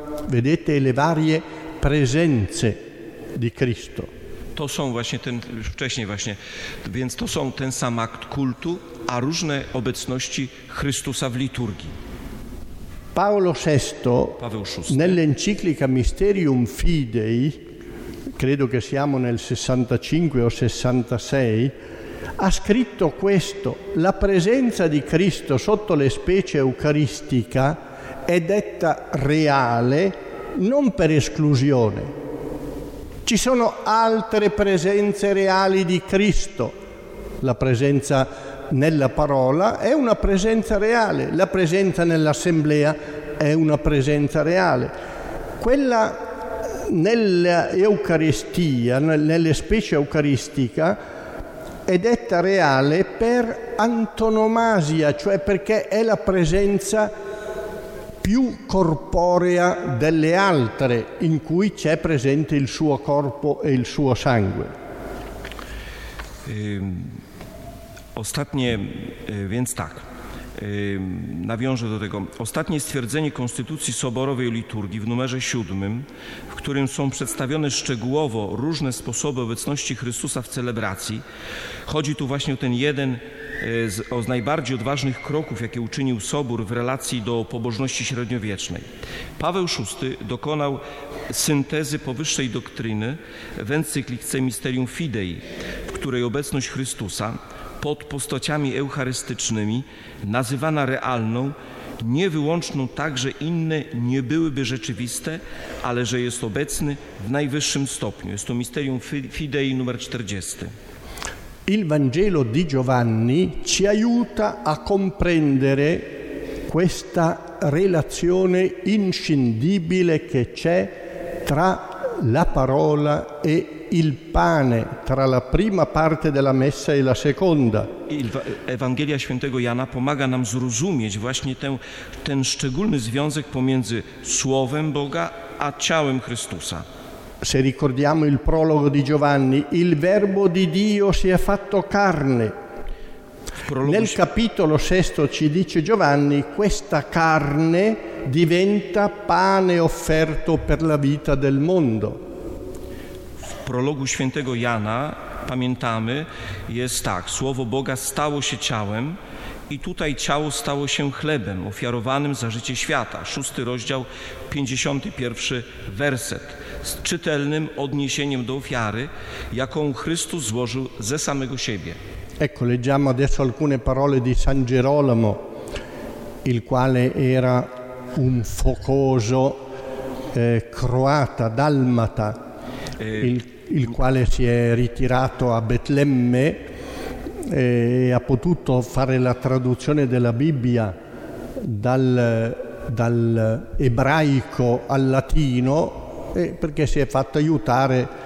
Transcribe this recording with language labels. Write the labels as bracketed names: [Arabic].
[Italian] Vedete le varie presenze di Cristo. [Polish] To są właśnie ten, już wcześniej właśnie, więc to są ten sam akt kultu, a różne obecności Chrystusa w liturgii. [Italian] Paolo VI, Paweł VI, nell'enciclica Mysterium Fidei, credo che siamo nel 65 o 66, ha scritto questo: la presenza di Cristo sotto le specie eucaristica è detta reale non per esclusione. Ci sono altre presenze reali di Cristo. La presenza nella parola è una presenza reale, la presenza nell'assemblea è una presenza reale. Quella nell'Eucaristia, nelle specie eucaristica, è detta reale per antonomasia, cioè perché è la presenza più corporea delle altre, in cui c'è presente il suo corpo e il suo sangue. [Polish] Ostatnie, więc tak, nawiążę do tego. Ostatnie stwierdzenie Konstytucji Soborowej Liturgii w numerze 7, w którym są przedstawione szczegółowo różne sposoby obecności Chrystusa w celebracji. Chodzi tu właśnie o ten jeden o z najbardziej odważnych kroków, jakie uczynił Sobór w relacji do pobożności średniowiecznej. Paweł VI dokonał syntezy powyższej doktryny w encyklice Mysterium Fidei, w której obecność Chrystusa pod postaciami eucharystycznymi, nazywana realną, niewyłączną także inne nie byłyby rzeczywiste, ale że jest obecny w najwyższym stopniu. Jest to Mysterium Fidei numer 40. [Italian] Il Vangelo di Giovanni ci aiuta a comprendere questa relazione inscindibile che c'è tra la parola e il pane, tra la prima parte della messa e la seconda. [Polish] Ewangelia świętego Jana pomaga nam zrozumieć właśnie ten szczególny związek pomiędzy Słowem Boga a ciałem Chrystusa. [Italian] Se ricordiamo il prologo di Giovanni, il Verbo di Dio si è fatto carne. Nel capitolo sesto ci dice Giovanni, questa carne diventa pane offerto per la vita del mondo. [Polish] W prologu świętego Jana, pamiętamy, jest tak, Słowo Boga stało się ciałem i tutaj ciało stało się chlebem ofiarowanym za życie świata. Szósty rozdział, 51 werset. Z czytelnym odniesieniem do ofiary, jaką Chrystus złożył ze samego siebie. [Italian] Ecco, leggiamo adesso alcune parole di San Gerolamo, il quale era un focoso croata, dalmata, il quale si è ritirato a Betlemme e ha potuto fare la traduzione della Bibbia dal ebraico al latino, perché si è fatto aiutare